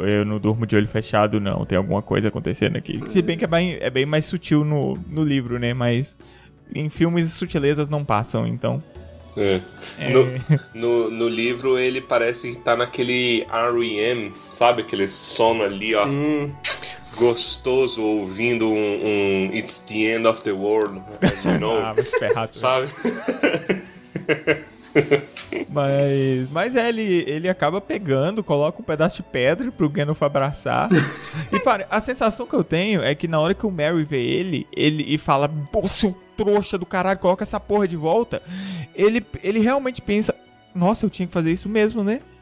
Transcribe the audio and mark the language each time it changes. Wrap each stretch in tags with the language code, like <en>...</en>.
<pt>Eu não durmo de olho fechado, não. Tem alguma coisa acontecendo aqui. Se bem que é bem mais sutil no livro, né, mas em filmes sutilezas não passam, então... É. No livro ele parece que tá naquele REM, sabe? Aquele sono ali, ó. Sim. Gostoso, ouvindo um</pt> <en>It's the End of the World, as you know.</en> <pt>Ah, mas ferrado. Sabe? Mas é, ele acaba pegando, coloca um pedaço de pedra pro Gandalf abraçar. E pare, a sensação que eu tenho é que na hora que o Merry vê ele e fala, pô, seu trouxa do caralho, coloca essa porra de volta. Ele realmente pensa, nossa, eu tinha que fazer isso mesmo, né?</pt>